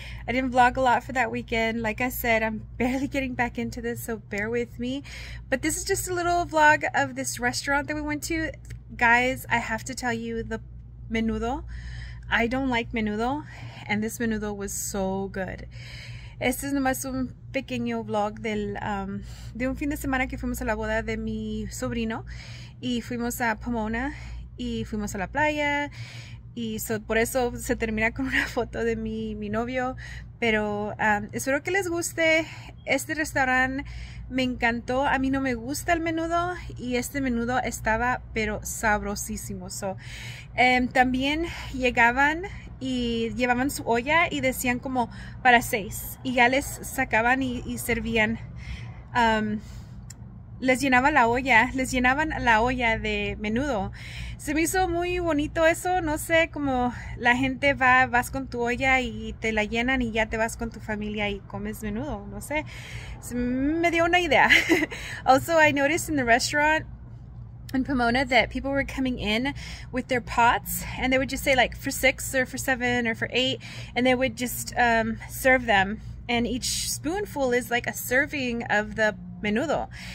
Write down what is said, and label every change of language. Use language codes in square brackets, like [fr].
[en] I didn't vlog a lot for that weekend. Like I said, I'm barely getting back into this, so bear with me. But this is just a little vlog of this restaurant that we went to. Guys, I have to tell you, the menudo. I don't like menudo, and this menudo was so good. [es] Este es nomás un pequeño vlog del, de un fin de semana que fuimos a la boda de mi sobrino y fuimos a Pomona y fuimos a la playa y por eso se termina con una foto de mi novio, pero espero que les guste este restaurante. Me encantó. A mí no me gusta el menudo y este menudo estaba pero sabrosísimo. [en] So, [es] también llegaban y llevaban su olla y decían como para seis y ya les sacaban y servían, les llenaban la olla de menudo. Se me hizo muy bonito eso, no sé, como la gente vas con tu olla y te la llenan y ya te vas con tu familia y comes menudo, no sé, se me dio una idea. [en] Also, I noticed in the restaurant in Pomona that people were coming in with their pots and they would just say like for six or for seven or for eight, and they would just serve them, and each spoonful is like a serving of the menudo.